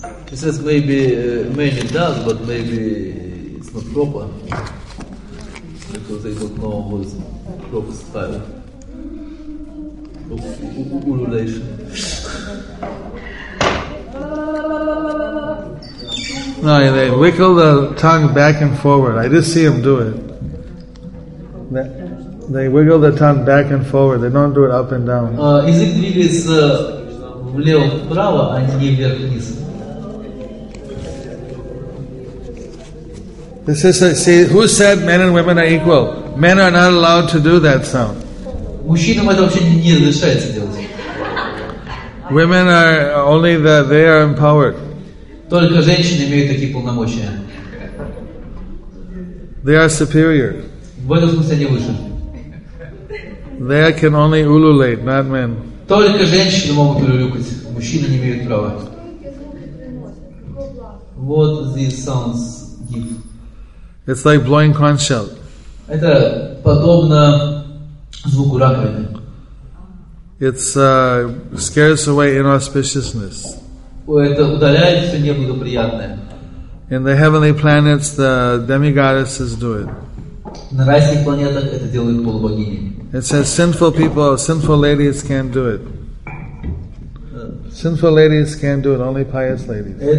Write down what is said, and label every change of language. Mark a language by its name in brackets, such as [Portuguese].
[English] He says maybe many does, but maybe it's not proper because they don't know what is proper style of ululation. No, they wiggle the tongue back and forward. I just see him do it. They wiggle the tongue back and forward. They don't do it up and down. [Russian] Язык двигается влево-вправо, а не вверх-вниз. [English] This is a, see, who said men and women are equal? Men are not allowed to do that sound. [Russian] Мужчинам это вообще не разрешается делать. [English] Women are only that they are empowered. [Russian] Только женщины имеют такие полномочия. [English] They are superior. [Russian] В этом смысле они выше. [English] They can only ululate, not men. [Russian] Только женщины могут улюлюкать. Мужчины не имеют права. [English] What these sounds give? It's like blowing conch shell. [Russian] Это подобно звуку раковины. [English] It's scares away inauspiciousness. [Russian] Это удаляет все неблагоприятное. [English] In the heavenly planets, the demigoddesses do it. [Russian] На райских планетах это делают полубогини. [English] It says sinful people, sinful ladies can't do it. Sinful ladies can't do it, only pious ladies.